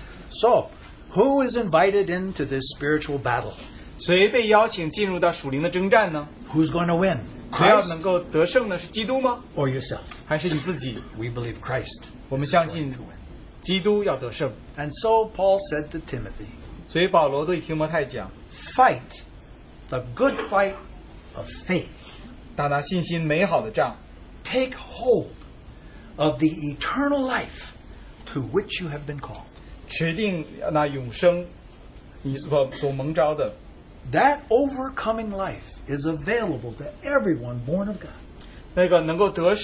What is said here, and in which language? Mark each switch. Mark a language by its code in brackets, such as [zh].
[en] So, who is invited into this spiritual battle? [zh] 谁被邀请进入到属灵的征战呢? [en] Who's going to win? Christ? [zh] 谁要能够得胜呢?是基督吗? [en] Or yourself? [zh] 还是你自己? [en] We believe Christ. [zh] 我们相信基督要得胜。 [en] And so Paul said to Timothy, [zh] 所以保罗对提摩太讲, [en] fight the good fight of faith. [zh] 打那信心美好的仗。 [en] Take hold of the eternal life to which you have been called. [zh] 持定那永生你所蒙召的。 [en] That overcoming life is available to everyone born of God.